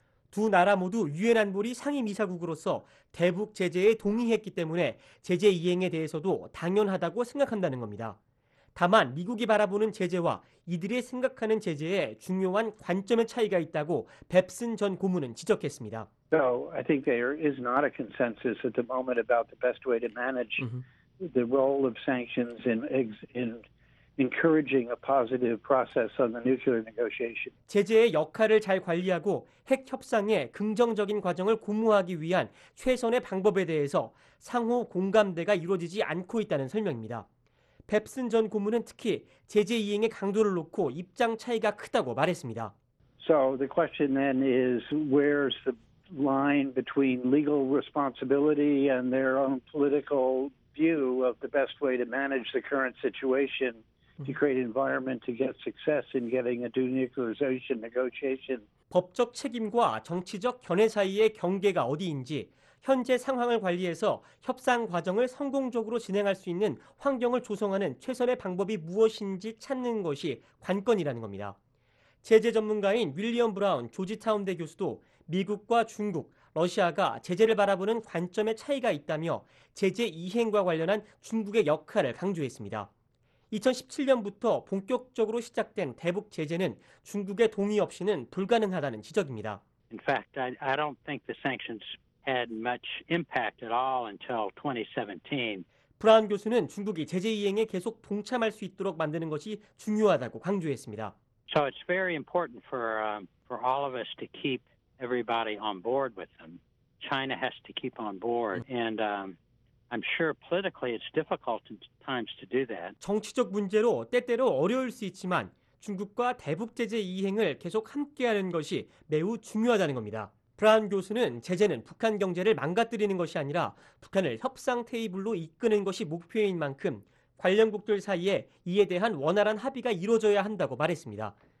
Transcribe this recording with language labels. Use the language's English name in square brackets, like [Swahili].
[Korean] 두 나라 모두 유엔 안보리 상임이사국으로서 대북 제재에 동의했기 때문에 제재 이행에 대해서도 당연하다고 생각한다는 겁니다. 다만 미국이 바라보는 제재와 이들이 생각하는 제재의 중요한 관점의 차이가 있다고 뱁슨 전 고문은 지적했습니다. [English] So I think there is not a consensus at the moment about the best way to manage the role of sanctions in encouraging a positive process on the nuclear negotiation. [Korean] 제재의 역할을 잘 관리하고 핵 협상의 긍정적인 과정을 고무하기 위한 최선의 방법에 대해서 상호 공감대가 이루어지지 않고 있다는 설명입니다. 뱁슨 전 고문은 특히 제재 이행의 강도를 놓고 입장 차이가 크다고 말했습니다. [English] So the question then is where's the line between legal responsibility and their own political view of the best way to manage the current situation to create environment to get success in getting a denuclearization negotiation. [Korean] 법적 책임과 정치적 견해 사이의 경계가 어디인지 현재 상황을 관리해서 협상 과정을 성공적으로 진행할 수 있는 환경을 조성하는 최선의 방법이 무엇인지 찾는 것이 관건이라는 겁니다. 제재 전문가인 윌리엄 브라운 조지타운대 교수도 미국과 중국, 러시아가 제재를 바라보는 관점의 차이가 있다며 제재 이행과 관련한 중국의 역할을 강조했습니다. 2017년부터 본격적으로 시작된 대북 제재는 중국의 동의 없이는 불가능하다는 지적입니다. [English] In fact, I don't think the sanctions had much impact at all until 2017. [Korean] 브라운 교수는 중국이 제재 이행에 계속 동참할 수 있도록 만드는 것이 중요하다고 강조했습니다. [English] So it's very important for all of us to keep everybody on board with them. China has to keep on board and I'm sure politically it's difficult at times to do that. [Korean] 정치적 문제로 때때로 어려울 수 있지만 중국과 대북 제재 이행을 계속 함께 하는 것이 매우 중요하다는 겁니다. 브라운 교수는 제재는 북한 경제를 망가뜨리는 것이 아니라 북한을 협상 테이블로 이끄는 것이 목표인 만큼 관련국들 사이에 이에 대한 원활한 합의가 이루어져야 한다고 말했습니다.